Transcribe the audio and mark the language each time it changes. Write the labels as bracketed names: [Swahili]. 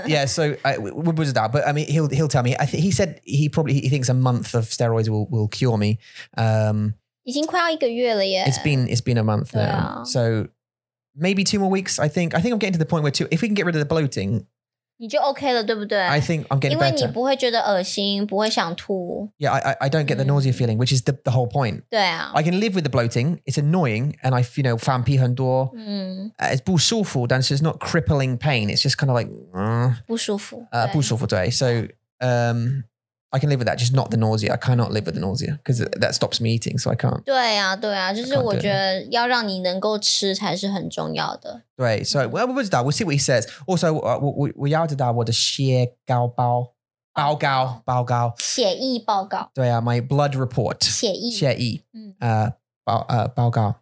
[English] Yeah, so we was that, but I mean, he'll tell me. He said he thinks a month of steroids will cure me. [Chinese] 已经快要一个月了耶. [English] It's been a month now. So maybe 2 more weeks. I think I'm getting to the point where if we can get rid of the bloating, [Chinese] 你就OK了，对不对? [English] I think I'm getting better. [Chinese] 因为你不会觉得恶心，不会想吐。 [English] Yeah, I don't get the nausea feeling, which is the whole point. [Chinese] 对啊。 [English] I can live with the bloating. It's annoying. And I, you know, [Chinese] 放屁很多。 [English] It's [Chinese] 不舒服, 但是 [English] it's not crippling pain. It's just kind of like... [Chinese] 不舒服。不舒服对。 [English] So I can live with that, just not the nausea. I cannot live with the nausea because that stops me eating, so I can't. [Chinese] 对啊。就是我觉得要让你能够吃才是很重要的。对, [English] so we'll see what he says. Also, [Chinese] 我要知道我的血报告。血液报告。对啊, [English] my blood report. [Chinese] 血液。报告。